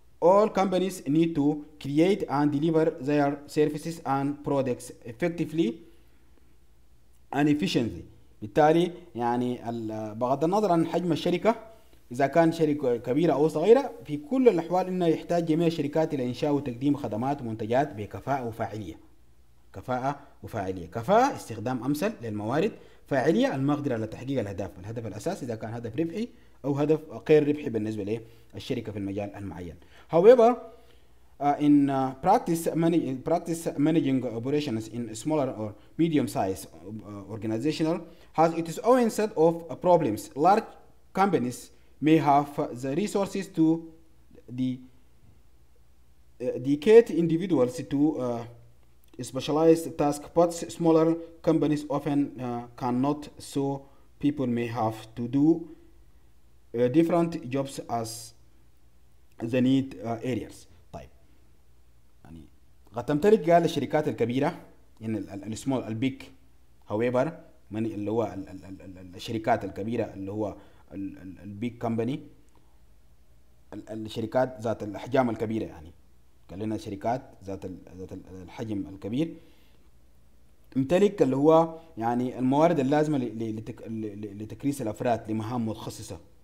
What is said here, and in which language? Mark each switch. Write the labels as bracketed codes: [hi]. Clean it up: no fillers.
[en] All companies need to create and deliver their services and products effectively and efficiently. [ar] بالتالي يعني بغض النظر عن حجم الشركة، إذا كان شركة كبيرة أو صغيرة، في كل الأحوال إنه يحتاج جميع الشركات إلى إنشاء وتقديم خدمات ومنتجات بكفاءة وفاعلية. كفاءة استخدام أمثل للموارد، فاعلية المقدرة على تحقيق الأهداف. الهدف الأساسي إذا كان هدف ربحي أو هدف غير ربحي بالنسبة للشركة في المجال المعين. [en] However, in practice managing operations in smaller or medium-sized organizational has its own set of problems. Large companies may have the resources to dedicate individuals to specialized tasks, but smaller companies often cannot. So people may have to do different jobs as the need areas. [ar] طيب يعني قد تمتلك قال الشركات الكبيرة يعني [en] السمول البيك هاويبر [ar] من اللي هو الشركات الكبيرة اللي هو [en] البيك كمباني، [ar] الشركات ذات الأحجام الكبيرة، يعني قالنا شركات ذات الحجم الكبير تمتلك اللي هو يعني الموارد اللازمة لتكريس الأفراد لمهام متخصصة.